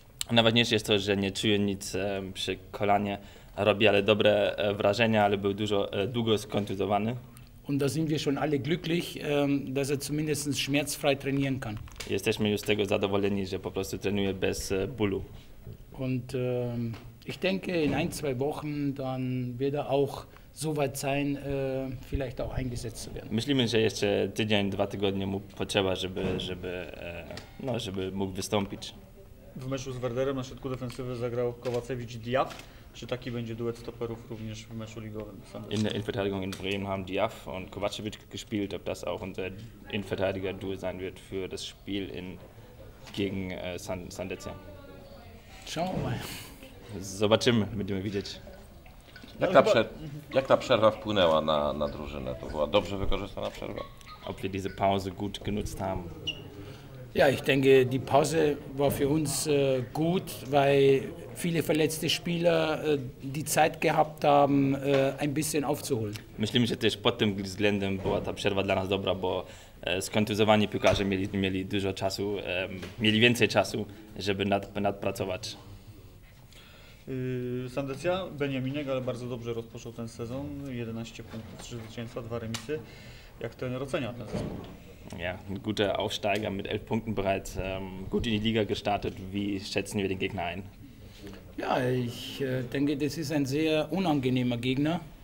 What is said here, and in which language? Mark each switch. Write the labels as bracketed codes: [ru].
[pl] Najważniejsze jest to, że nie czuję nic przy kolanie. Robi ale dobre wrażenia, ale był długo skontuzowany. [de] Und da sind wir schon alle glücklich, dass er zumindest schmerzfrei trainieren kann. [pl] Jesteśmy już z tego zadowoleni, że po prostu trenuje bez bólu. [de] Und ich denke, in ein, zwei Wochen dann wird er auch so weit sein, vielleicht auch eingesetzt zu werden. [pl] Myślimy, że jeszcze tydzień, 2 tygodnie mu potrzeba, żeby mógł wystąpić. W meczu z Werderem na środku defensywy zagrał Kovacevic Diaw. Czy taki będzie duet stoperów również w meczu ligowym z [de] In der Innenverteidigung in Bremen haben Diaw und Kovacevic gespielt, ob das auch unser Innenverteidiger-Duo sein wird für das Spiel gegen Sandecja. Schauen wir mal. [pl] Zobaczymy, będziemy widzieć. No, jak ta przerwa wpłynęła na drużynę? To była dobrze wykorzystana przerwa. [de] Ob wir diese Pause gut genutzt haben. Ja, ich denke, die Pause war für uns gut, weil viele verletzte Spieler die Zeit gehabt haben, ein bisschen aufzuholen. [pl] Myślimy, że też pod tym względem była ta przerwa dla nas dobra, bo skontuzowani piłkarze mieli dużo czasu, mieli więcej czasu, żeby nadpracować. Sandecja, Beniaminek, ale bardzo dobrze rozpoczął ten sezon. 11 punktów, 3 zwycięstwa, 2 remisy. Jak trener ocenia ten sezon? [de] Ja, ein guter Aufsteiger mit 11 Punkten bereits gut in die Liga gestartet. Wie schätzen wir den Gegner ein? Ja, ich denke, das ist ein sehr unangenehmer Gegner.